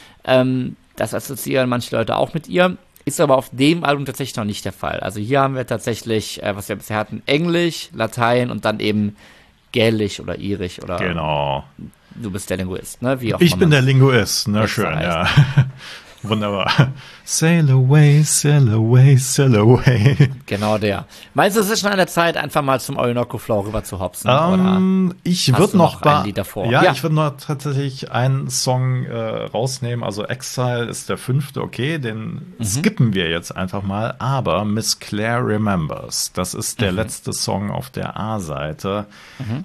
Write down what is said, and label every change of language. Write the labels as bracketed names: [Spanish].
[German] Das assoziieren manche Leute auch mit ihr. Ist aber auf dem Album tatsächlich noch nicht der Fall. Also hier haben wir tatsächlich, was wir bisher hatten, Englisch, Latein und dann eben Gälisch oder Irisch oder. Genau. Du bist der Linguist, ne? Wie auch ich immer bin der Linguist, na schön, heißt. Ja. Wunderbar. [English] Sail away, sail away, sail away. [German] Genau der. Meinst du, es ist schon an der Zeit, einfach mal zum Orinoco Flow rüber zu hopsen? Ich würde noch ein Lied davor. Ja, ja. Ich würde noch tatsächlich einen Song rausnehmen. Also Exile ist der fünfte, okay, den skippen wir jetzt einfach mal. Aber Miss Claire Remembers, das ist der letzte Song auf der A-Seite. Mhm.